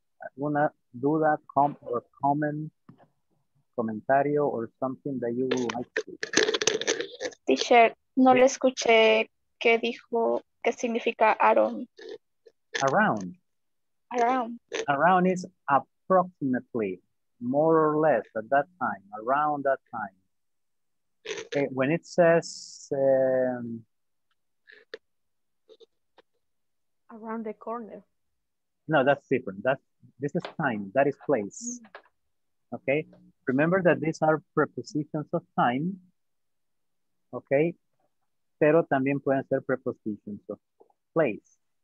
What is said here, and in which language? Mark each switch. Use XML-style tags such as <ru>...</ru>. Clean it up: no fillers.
<es>Alguna duda, comentario,</es> <en>or something that you would like to?</en> <es>Teacher, no le escuché qué dijo, qué significa Aaron.</es> <en>Around. Around is approximately, more or less, at that time, around that time. Okay, when it says around the corner. No, that's different. This is time, that is place. Okay, remember that these are prepositions of time.</en> <es>Okay, pero también pueden ser</es> <en>prepositions of place.</en>